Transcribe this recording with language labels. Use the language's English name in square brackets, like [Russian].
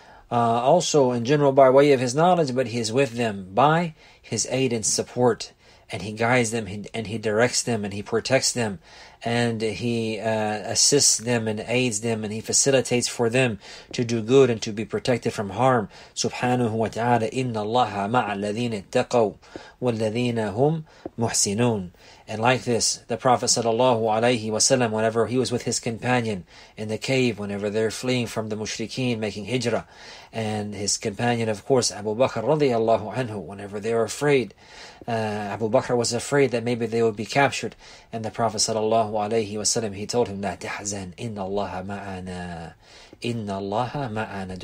[English] Also, in general, by way of His knowledge, but He is with them by His aid and support. And He guides them, and He directs them, and He protects them, and He assists them and aids them, and He facilitates for them to do good and to be protected from harm. [Arabic] Subhanahu wa ta'ala, إِنَّ اللَّهَ مَعَ الَّذِينَ اتَّقَوْا وَالَّذِينَ هُمْ مُحْسِنُونَ. [English] And like this, the Prophet sallallahu alayhi wa sallam, whenever he was with his companion in the cave, whenever they're fleeing from the mushrikeen making hijrah, and his companion, of course, Abu Bakr radiallahu anhu, whenever they were afraid, Abu Bakr was afraid that maybe they would be captured, and the Prophet sallallahu alayhi wa sallam, he told him, [Arabic] لا تحزن إن الله معنا [English] إن الله معنا.